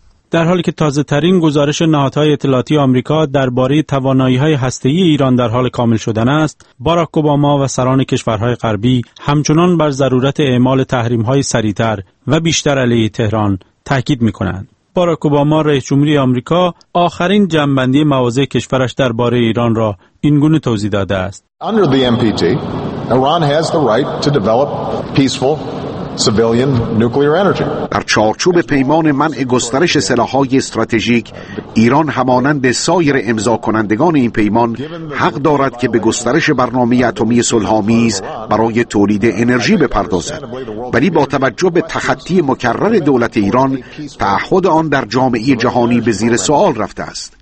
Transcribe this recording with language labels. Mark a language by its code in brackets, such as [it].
[fa] در حالی که تازه ترین گزارش نهادهای اطلاعاتی آمریکا درباره توانایی های هسته‌ای ایران در حال کامل شدن است، باراک اوباما و سران کشورهای غربی همچنان بر ضرورت اعمال تحریم های سریع‌تر و بیشتر علیه تهران تاکید می کنند. باراک اوباما رئیس جمهوری آمریکا آخرین جمع‌بندی مواضع کشورش درباره ایران را این گونه توضیح داده است. [en] Under the NPT, Iran has the right to develop peaceful civilian nuclear energy. [fa] در چارچوب پیمان منع گسترش سلاح‌های استراتژیک، ایران همانند سایر امضا کنندگان این پیمان حق دارد که به گسترش برنامه اتمی صلح‌آمیز برای تولید انرژی بپردازد. ولی با توجه به تخطی مکرر دولت ایران، تعهد آن در جامعه جهانی به زیر سوال رفته است.